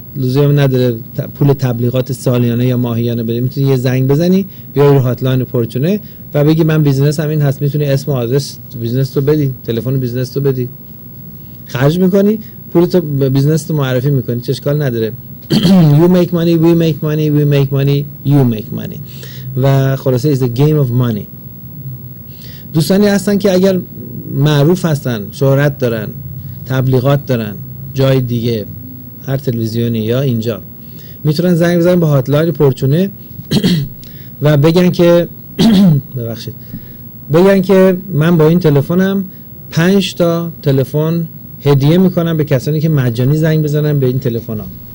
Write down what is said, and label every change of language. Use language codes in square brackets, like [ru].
[fa] لزومی نداره پول تبلیغات سالیانه یا ماهیانه بده. میتونی یه زنگ بزنی بیای رو هاتلاین پورتونه و بگی من بیزنس هم این هست، میتونی اسم و آدرس بیزنس تو بدی، تلفن بیزنس تو بدی، خرج میکنی، پول تو بیزنس تو معرفی میکنی، چه اشکال نداره. [en] You make money, we make money, we make money, you make money. [fa] و خلاصه [en] is a game of money. [fa] دوستانی هستن که اگر معروف هستن، شهرت دارن، تبلیغات دارن، جای دیگه هر تلویزیونی یا اینجا، میتونن زنگ بزنن به هاتلاین پرچونه و بگن که ببخشید، بگن که من با این تلفنم 5 تا تلفن هدیه میکنم به کسانی که مجانی زنگ بزنن به این تلفن ها.